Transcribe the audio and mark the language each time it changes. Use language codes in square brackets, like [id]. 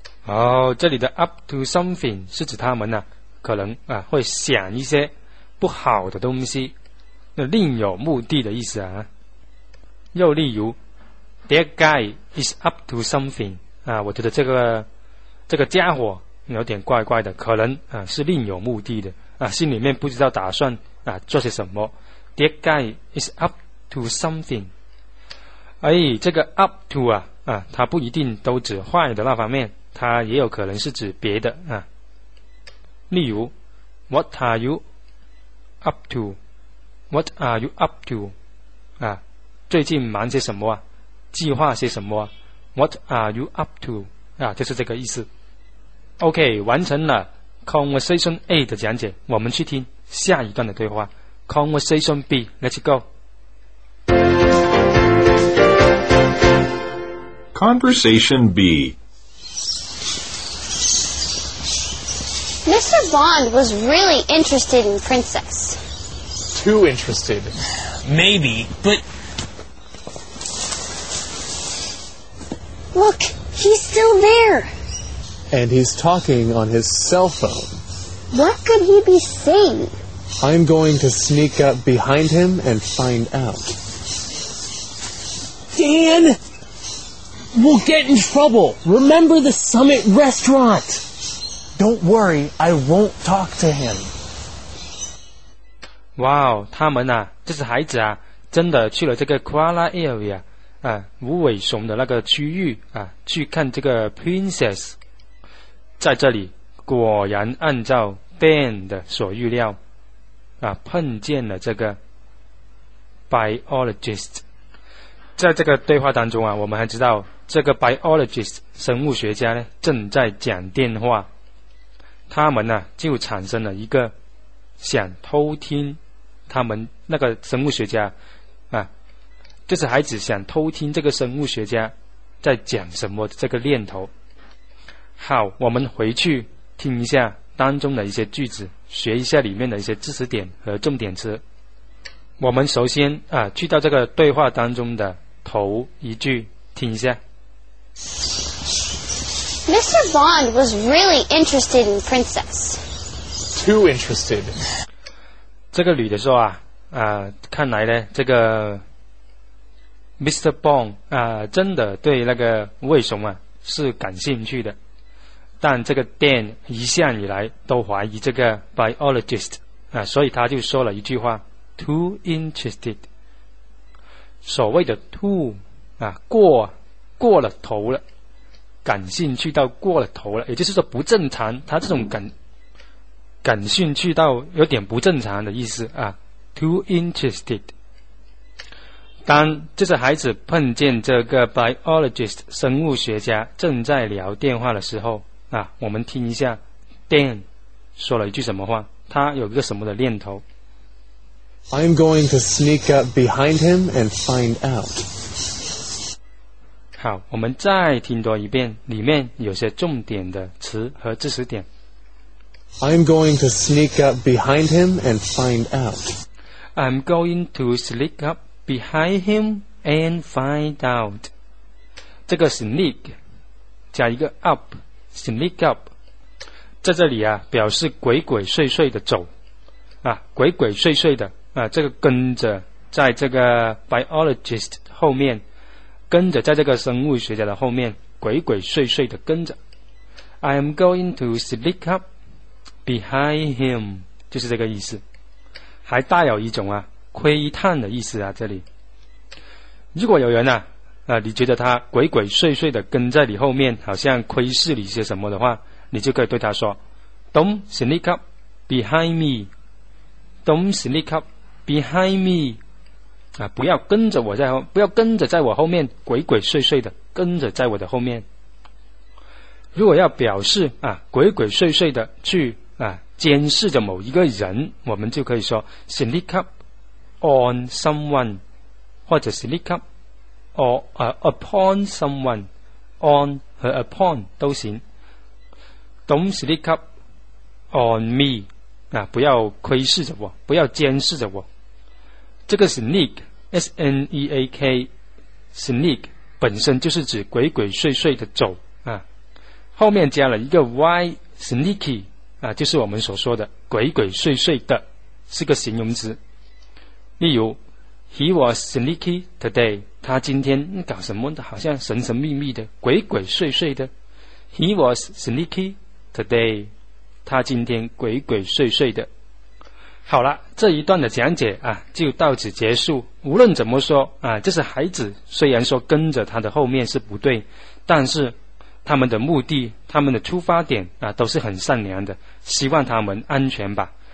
[zh] 哦，这里的 [en] up to something [zh] 是指他们啊，可能啊会想一些不好的东西，那另有目的的意思啊。又例如 ， [en] that guy is up to something [zh] 啊，我觉得这个家伙有点怪怪的，可能啊是另有目的的啊，心里面不知道打算啊做些什么。 [en] That guy is up to something。 [zh] 哎，这个 up to 啊，它不一定都指坏的那方面，它也有可能是指别的啊。 [en] 例如 ，What are you up to? What are you up to? [zh] 啊，最近忙些什么啊？计划些什么啊 ？ [en] What are you up to? [zh] 啊，就是这个意思。 OK， 完成了 Conversation A 的讲解，我们去听下一段的对话。 [en] Conversation B, let's go. Conversation B. Mr. Bond was really interested in Princess. Too interested. Maybe, but... Look, he's still there. And he's talking on his cell phone. What could he be saying? I'm going to sneak up behind him and find out. Dan! We'll get in trouble! Remember the Summit restaurant! Don't worry, I won't talk to him. [zh] Wow, 他们啊，这些孩子啊，真的去了这个 Koala Area, 啊，无尾熊的那个区域啊，去看这个 Princess。在这里，果然按照 Dan 的所预料啊，碰见了这个 biologist。在这个对话当中啊，我们还知道这个 biologist 生物学家呢正在讲电话，他们呢、啊、就产生了一个想偷听他们那个生物学家啊，就是孩子想偷听这个生物学家在讲什么这个念头。好，我们回去听一下当中的一些句子，学一下里面的一些知识点和重点词。我们首先啊，去到这个对话当中的头一句，听一下。 Mr. Bond was really interested in Princess. Too interested. 这个女的说啊，看来呢，这个 Mr. Bond 啊，真的对那个卫熊啊是感兴趣的。但这个 Dan 一向以来都怀疑这个 biologist 啊，所以他就说了一句话 ： [en] too interested。 [zh] 所谓的 too 啊，过了头了，感兴趣到过了头了，也就是说不正常。他这种感兴趣到有点不正常的意思啊 ， [en] too interested。 [zh] 当这些孩子碰见这个 biologist 生物学家正在聊电话的时候。啊，我们听一下 ，Dan 说了一句什么话？他有一个什么的念头 [en] ？I'm going to sneak up behind him and find out. [zh] 好，我们再听多一遍，里面有些重点的词和知识点。 [en] I'm going to sneak up behind him and find out. I'm going to sneak up behind him and find out. [zh] 这个 sneak 加一个 up。Sneak up， 在这里啊，表示鬼鬼祟祟的走，啊，鬼鬼祟祟的啊，这个跟着在这个 biologist 后面，跟着在这个生物学家的后面，鬼鬼祟祟的跟着。 [en] I am going to sneak up behind him， [zh] 就是这个意思，还带有一种啊窥探的意思啊。这里，如果有人呢、啊？你觉得他鬼鬼祟祟的跟在你后面，好像窥视你些什么的话，你就可以对他说 ： [en] “Don't sneak up behind me. Don't sneak up behind me.” [zh] 啊，不要跟着我在后，不要跟着在我后面，鬼鬼祟祟的跟着在我的后面。如果要表示啊，鬼鬼祟祟的去啊监视着某一个人，我们就可以说 [en] sneak up on someone， [zh] 或者 sneak up。 [en] or upon someone, on [zh] 和 [en] upon [zh] 都行。 [en] Don't sneak up on me. [zh] 啊，不要窥视着我，不要监视着我。这个 sneak, S-N-E-A-K, sneak 本身就是指鬼鬼祟祟的走啊。后面加了一个 y, sneaky 啊，就是我们所说的鬼鬼祟祟的，是个形容词。 [en] 例如 ，He was sneaky today. [zh] 他今天搞什么的，好像神神秘秘的，鬼鬼祟祟的。 [en] He was sneaky today. [zh] 他今天鬼鬼祟祟的。好了，这一段的讲解啊，就到此结束。无论怎么说啊，这是孩子，虽然说跟着他的后面是不对，但是他们的目的、他们的出发点啊，都是很善良的，希望他们安全吧。